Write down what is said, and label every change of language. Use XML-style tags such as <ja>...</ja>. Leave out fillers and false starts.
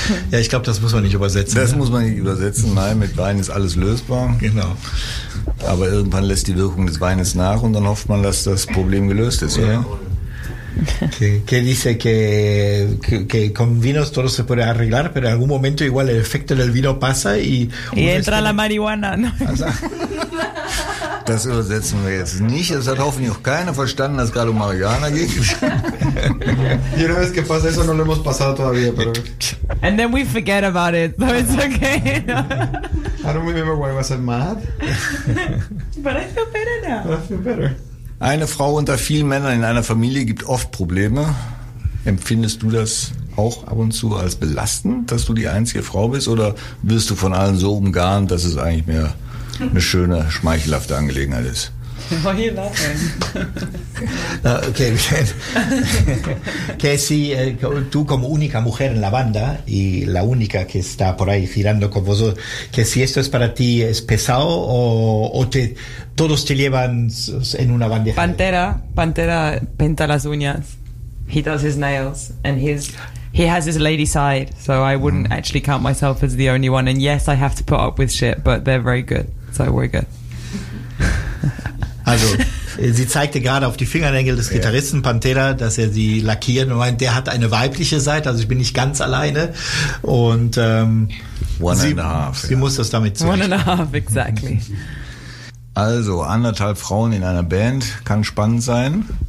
<de>Ja, ich glaube, das muss man nicht übersetzen. Das, ne, muss man nicht übersetzen. Nein, mit Wein ist alles lösbar. Genau. Aber irgendwann lässt die Wirkung des Weines nach und dann hofft man, dass das Problem gelöst ist, yeah, oder?</de> <es>Que dice que con vinos todo se puede arreglar, pero en algún momento igual el efecto del vino pasa y entra la marihuana. No.</es> <de>Das übersetzen wir jetzt nicht. Es hat hoffentlich auch keiner verstanden, dass es gerade um Marihuana geht. Jeder weiß, was passiert.</de> <es>Eso no lo hemos pasado todavía. Pero...</es> <en>And then we forget about it, so it's okay. I don't remember why I was mad. But I feel better now. I feel better.</en> <de>Eine Frau unter vielen Männern in einer Familie gibt oft Probleme. Empfindest du das auch ab und zu als belastend, dass du die einzige Frau bist? Oder wirst du von allen so umgarnt, dass es eigentlich mehr eine schöne, schmeichelhafte Angelegenheit ist?</de> <en>Why are you laughing? Okay.</en> <es>Que si tú como única mujer en la banda y la única que está por ahí girando con vosotros, que si esto es para ti es pesado o te... Todos te llevan en una bandeja. Pantera pinta las uñas.</es> <en>He does his nails and he has his lady side. So I wouldn't actually count myself as the only one. And yes, I have to put up with shit, but they're very good. So we're good.</en> <de>Also, sie zeigte gerade auf die Fingernägel des Gitarristen Pantera, dass er sie lackiert und meint, der hat eine weibliche Seite. Also ich bin nicht ganz alleine. Und sie muss das damit zurecht.</de> <en>One and a half, exactly.</en> <de>Also, anderthalb Frauen in einer Band kann spannend sein.</de>